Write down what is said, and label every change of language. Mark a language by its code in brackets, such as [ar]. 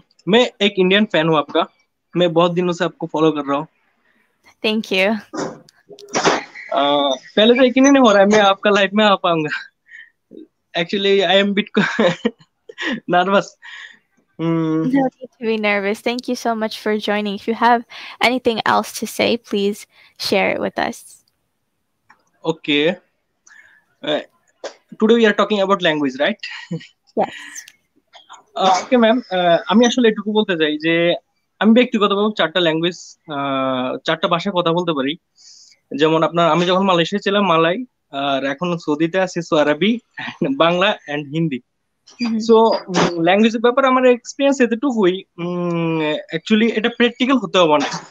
[hi] मैं एक Indian fan हूँ आपका, मैं बहुत दिनों से आपको फॉलो कर रहा हूँ। [en] Thank you. [hi] पहले तो यकीन नहीं हो रहा है मैं आपका लाइफ में आ पाऊंगा। [en] Actually I am bit nervous. No need to be nervous. Thank you so much for joining. If you have anything else to say, please share it with us. Okay. Today we are talking about language, right? Yes. [bn] Okay ma'am, আমি আসলে এটুকু বলতে চাই যে আমি ব্যক্তিগতভাবে চারটা language, চারটা ভাষা কথা বলতে পারি। যেমন আপনার, আমি যখন মালয়েশিয়া ছিলাম মালাই, আর এখন সৌদিতে আছি সো আরবি, বাংলা এন্ড হিন্দি। সো ল্যাঙ্গুয়েজের ব্যাপারে আমার এক্সপিরিয়েন্স এতটুকুই, অ্যাকচুয়ালি এটা প্র্যাকটিক্যাল হতে হবে না।